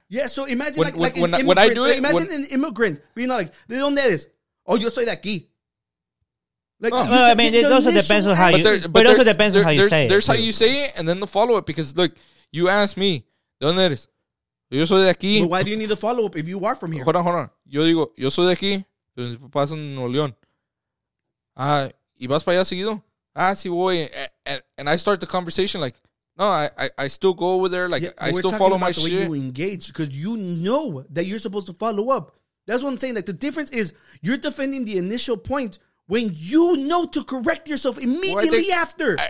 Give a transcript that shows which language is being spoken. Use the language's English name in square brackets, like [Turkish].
[English] Yeah, so imagine, an immigrant being like, they don't know this. [Spanish] Oh, yo soy de aquí. [English] Like, oh. Well, I mean, it also depends on how you, but it also depends on how you say it. There's how you say it, and then the follow-up, because, look, you asked me, [Spanish] ¿de dónde eres? Yo soy de aquí. [English] But why do you need a follow-up if you are from here? Hold on. [Spanish] Yo digo, yo soy de aquí, pero mis papás son de Nuevo León. Ah, ¿y vas para allá seguido? Ah, sí voy. [English] And I start the conversation like, no, I still go over there. Like, yeah, I still follow my shit. We're talking about the way you engage, because you know that you're supposed to follow up. That's what I'm saying. Like, the difference is you're defending the initial point when you know to correct yourself immediately after.